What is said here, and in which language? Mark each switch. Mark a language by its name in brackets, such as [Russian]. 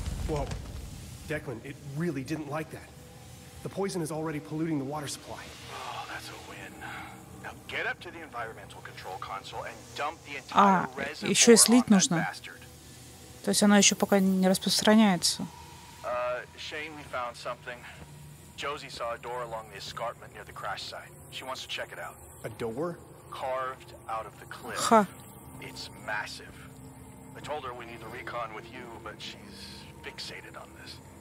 [English] Whoa, Declan, it really didn't like that. The poison is already polluting the water supply. Oh, that's a win. Now get up to the environmental control console and dump the entire reservoir. [Russian] Еще и слить нужно. То есть она еще пока не распространяется. [English] Shane, we found something. Josie saw a door along the escarpment near the crash site. She wants to check it out. A door carved out of the cliff. Ха. It's massive. I told her we need the recon with you, but she's fixated on this.